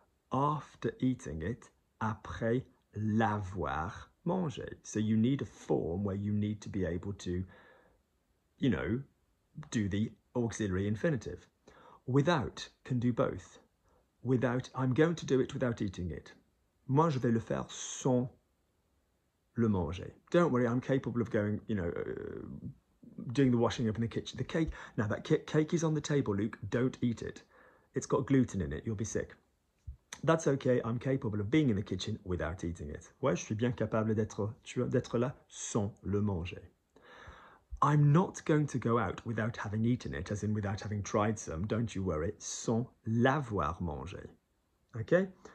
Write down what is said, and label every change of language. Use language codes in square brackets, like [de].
[en] After eating it, [fr] après l'avoir mangé. [en] So you need a form where you need to be able to, you know, do the auxiliary infinitive. Without can do both. Without, I'm going to do it without eating it. [fr] Moi, je vais le faire sans le manger. [en] Don't worry, I'm capable of going, you know, doing the washing up in the kitchen. The cake, now that cake is on the table, Luke, don't eat it. It's got gluten in it, you'll be sick. That's okay, I'm capable of being in the kitchen without eating it. [fr] Ouais, je suis bien capable d'être là sans le manger. [en] I'm not going to go out without having eaten it, as in without having tried some, don't you worry, [fr] sans l'avoir mangé. [en] Okay?